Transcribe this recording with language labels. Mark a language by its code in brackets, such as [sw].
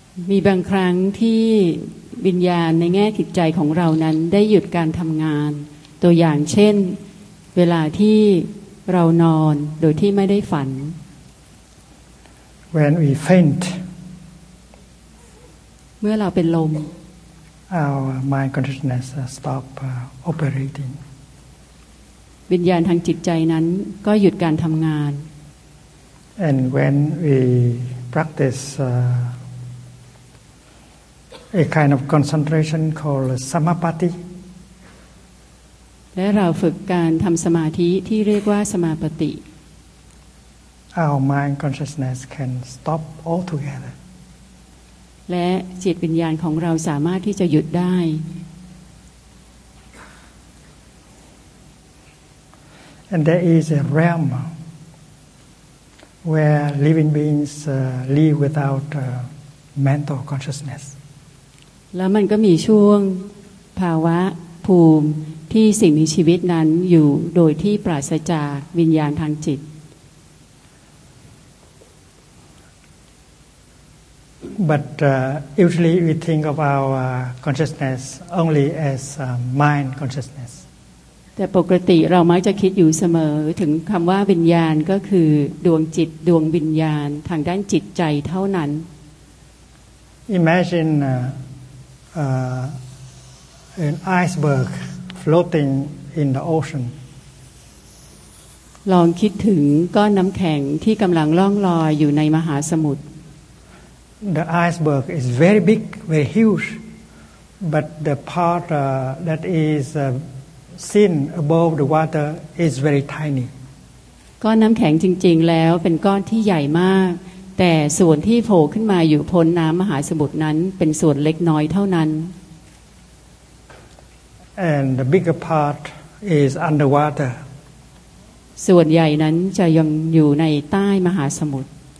[th] มีบางครั้งที่วิญญาณในแง่จิตใจของเรานั้นได้หยุดการทำงานตัวอย่างเช่นเวลาที่เรานอนโดยที่ไม่ได้ฝัน [en] When we faint [th] เมื่อเราเป็นลม [en] Our mind consciousness stop operating [th] วิญญาณทางจิตใจนั้นก็หยุดการทำงาน [en] And when we practice A kind of concentration called samapatti. [th] และเราฝึกการทำสมาธิที่เรียกว่าสมาปัตติ [en] Our mind consciousness can stop altogether. [th] และจิตวิญญาณของเราสามารถที่จะหยุดได้ [en] And there is a realm where living beings live without mental consciousness. [th] แล้วมันก็มีช่วงภาวะภูมิที่สิ่งมีชีวิตนั้นอยู่โดยที่ปราศจากวิญญาณทางจิต [en] But usually we think of our consciousness only as mind consciousness [th] แต่ปกติเรามักจะคิดอยู่เสมอถึงคำว่าวิญญาณก็คือดวงจิตดวงวิญญาณทางด้านจิตใจเท่านั้น [en] Imaginean iceberg floating in the ocean. [th] ลองคิดถึงก้อนน้ำแข็งที่กำลังล่องลอยอยู่ในมหาสมุทร [en] The iceberg is very big, very huge, but the part that is seen above the water is very tiny. [th] ก้อนน้ำแข็งจริงๆแล้วเป็นก้อนที่ใหญ่มากแต่ส่วนที่โผล่ขึ้นมาอยู่พ้นน้ำมหาสมุทรนั้นเป็นส่วนเล็กน้อยเท่านั้น [en] And the bigger part is underwater [th] ส่วนใหญ่นั้นจะยังอยู่ในใต้มหาสมุทร